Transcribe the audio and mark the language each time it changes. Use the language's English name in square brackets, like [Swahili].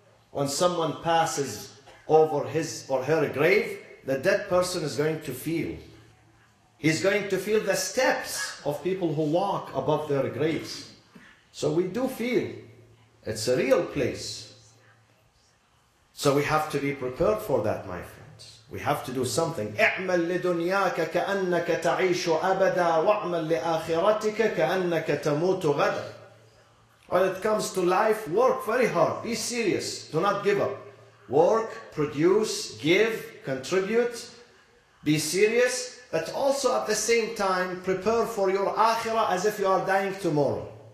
[English] When someone passes over his or her grave, the dead person is going to feel. He's going to feel the steps of people who walk above their graves. So we do feel. It's a real place. So we have to be prepared for that, my friends. We have to do something. [Arabic] اعمل لدنياك كأنك تعيش أبدا واعمل لآخرتك كأنك تموت غدا. [English] When it comes to life, work very hard. Be serious. Do not give up. Work, produce, give, contribute, be serious, but also at the same time prepare for your akhirah as if you are dying tomorrow.